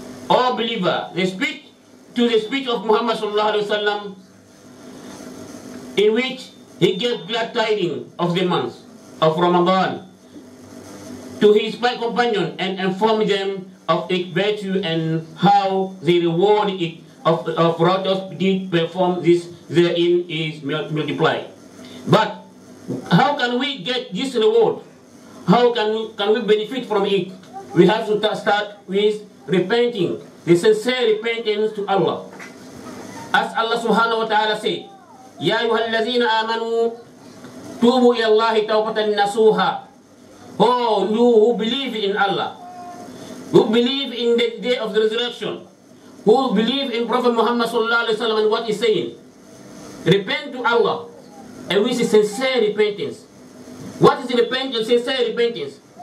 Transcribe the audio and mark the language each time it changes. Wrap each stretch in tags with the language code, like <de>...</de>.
<en>O believer, the speech of Muhammad sallallahu alaihi wasallam, in which he gave glad tidings of the month of Ramadan to his companion and informed them of its virtue and how the reward it of righteous did perform this therein is multiplied. But how can we get this reward? How can we benefit from it? We have to start with repenting, the sincere repentance to Allah. As Allah subhanahu wa ta'ala said,</en> <ar>يا أيها الذين آمنوا توبوا إلى الله توبة نصوحا.</ar> <en>Oh, you who believe in Allah, who believe in the day of the resurrection, who believe in Prophet Muhammad sallallahu alaihi wasallam and what he's saying, repent to Allah, and with sincere repentance. What is repentance? Sincere repentance.</en>